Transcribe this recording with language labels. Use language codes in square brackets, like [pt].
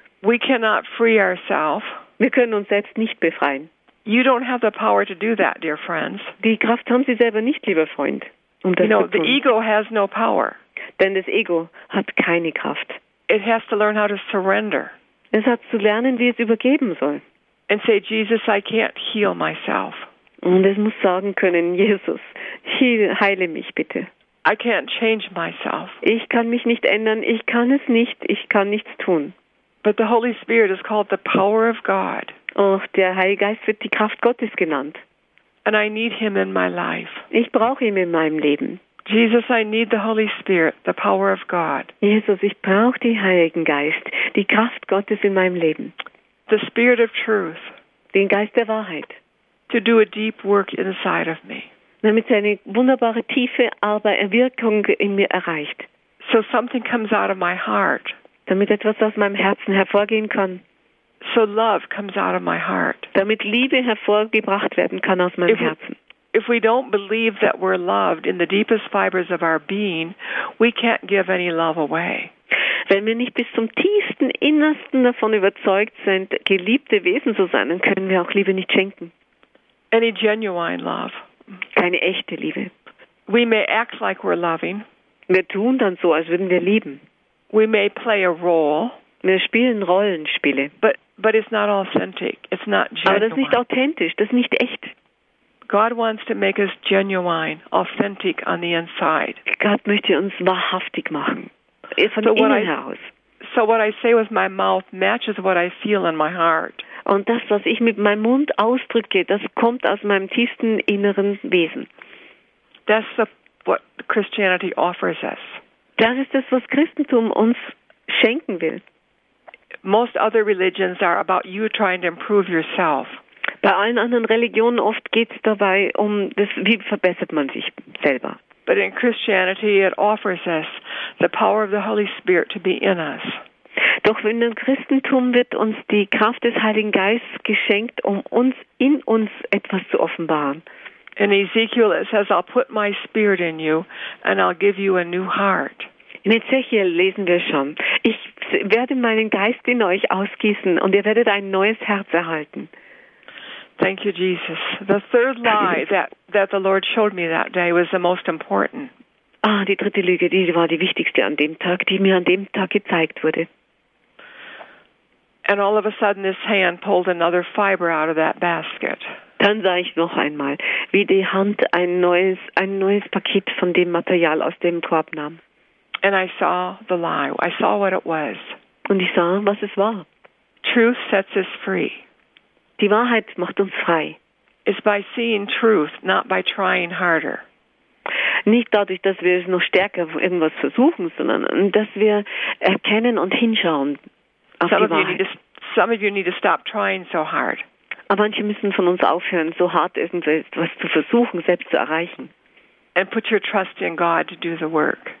[en] We cannot free ourselves. [de] Wir können uns selbst nicht befreien. [en] You don't have the power to do that, dear friends. [de] Die Kraft haben Sie selber nicht, lieber Freund. [en] The ego has no power. [de] Denn das Ego hat keine Kraft. [en] It has to learn how to surrender. [de] Es hat zu lernen, wie es übergeben soll. [en] And say, Jesus, I can't heal myself. [de] Und es muss sagen können, Jesus, heile mich bitte. [en] I can't change myself. [de] Ich kann mich nicht ändern, ich kann es nicht, ich kann nichts tun. [en] But the Holy Spirit is called the power of God. [de] Och, der Heilige Geist wird die Kraft Gottes genannt. [en] And I need him in my life. [de] Ich brauche ihn in meinem Leben. [en] Jesus, I need the Holy Spirit, the power of God. [de] Jesus, ich brauche den Heiligen Geist, die Kraft Gottes in meinem Leben. [en] The Spirit of Truth. [de] Den Geist der Wahrheit. [en] To do a deep work inside of me. [de] damit sie eine wunderbare tiefe Wirkung in mir erreicht. [en] So something comes out of my heart. [de] Damit etwas aus meinem Herzen hervorgehen kann. [en] So love comes out of my heart. [de] Damit Liebe hervorgebracht werden kann aus meinem Herzen. [en] If we don't believe that we're loved in the deepest fibers of our being, we can't give any love away. [de] Wenn wir nicht bis zum tiefsten Innersten davon überzeugt sind, geliebte Wesen zu sein, dann können wir auch Liebe nicht schenken. [en] Any genuine love. [de] Keine echte Liebe. [en] We may act like we're loving. [de] Wir tun dann so, als würden wir lieben. [en] We may play a role. [de] Wir spielen Rollenspiele. [en] But it's not authentic. It's not genuine. [de] Aber das ist nicht authentisch, das ist nicht echt. [en] God wants to make us genuine, authentic on the inside. [de] Gott möchte uns wahrhaftig machen. Von innen heraus. [en] So what I say with my mouth matches what I feel in my heart. [de] Und das, was ich mit meinem Mund ausdrücke, das kommt aus meinem tiefsten inneren Wesen. [en] That's what Christianity offers us. [de] Das ist das, was Christentum uns schenken will. [en] Most other religions are about you trying to improve yourself. [de] Bei allen anderen Religionen oft geht es dabei um das, wie verbessert man sich selber. [en] But in Christianity it offers us the power of the Holy Spirit to be in us. [de] Doch in dem Christentum wird uns die Kraft des Heiligen Geistes geschenkt, um uns in uns etwas zu offenbaren. [en] In Ezekiel it says, I'll put my spirit in you and I'll give you a new heart. [de] In Ezekiel lesen wir schon, ich werde meinen Geist in euch ausgießen und ihr werdet ein neues Herz erhalten. [en] Thank you, Jesus. The third lie that the Lord showed me that day was the most important. [de] Ah, die dritte Lüge, die war die wichtigste an dem Tag, die mir an dem Tag gezeigt wurde. [en] And all of a sudden this hand pulled another fiber out of that basket. [de] Dann sah ich noch einmal, wie die Hand ein neues Paket von dem Material aus dem Korb nahm. [en] And I saw the lie. I saw what it was. [de] Und ich sah, was es war. [en] Truth sets us free. [de] Die Wahrheit macht uns frei. [en] It's by seeing truth, not by trying harder. [de] Nicht dadurch, dass wir es noch stärker irgendwas versuchen, sondern dass wir erkennen und hinschauen auf [en] some [de] die Wahrheit. [en] Some of you need to stop trying so hard. [de] Aber manche müssen von uns aufhören, so hart irgendwas zu versuchen, selbst zu erreichen. [en] And put your trust in God to do the work.